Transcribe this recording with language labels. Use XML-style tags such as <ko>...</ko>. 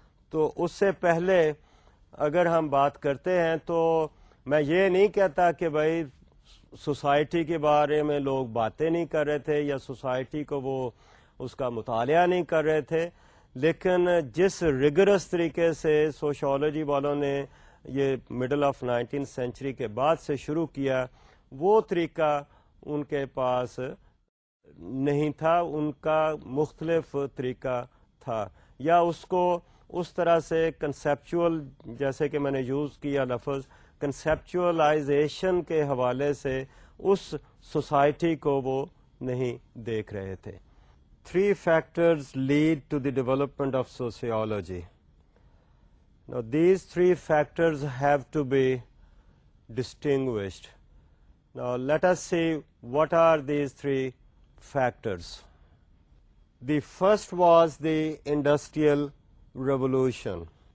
<ur>تو اس سے پہلے اگر ہم بات کرتے ہیں تو میں یہ نہیں کہتا کہ بھائی سوسائٹی کے بارے میں لوگ باتیں نہیں کر رہے تھے یا سوسائٹی کو وہ اس کا مطالعہ نہیں کر رہے تھے, لیکن جس ریگرس طریقے سے سوشیولوجی والوں نے یہ مڈل آف 19th century کے بعد سے شروع کیا وہ طریقہ ان کے پاس نہیں تھا, ان کا مختلف طریقہ تھا, یا اس کو اس طرح سے کنسیپچول, جیسے کہ میں نے یوز کیا لفظ کنسیپچولائزیشن کے حوالے سے اس سوسائٹی کو وہ نہیں دیکھ رہے تھے.</ur> <en>Three factors lead to the development of sociology. Now these three factors have to be distinguished. Now let us see what are these three factors. The first was the Industrial Revolution.</en>